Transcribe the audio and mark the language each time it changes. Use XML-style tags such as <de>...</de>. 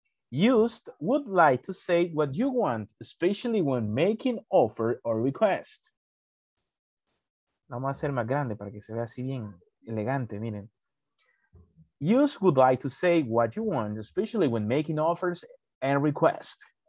<en>Used would like to say what you want, especially when making offer or request.</en> <es>Vamos a hacer más grande para que se vea así bien elegante, miren.</es> <en>Use would like to say what you want, especially when making offers and requests.</en>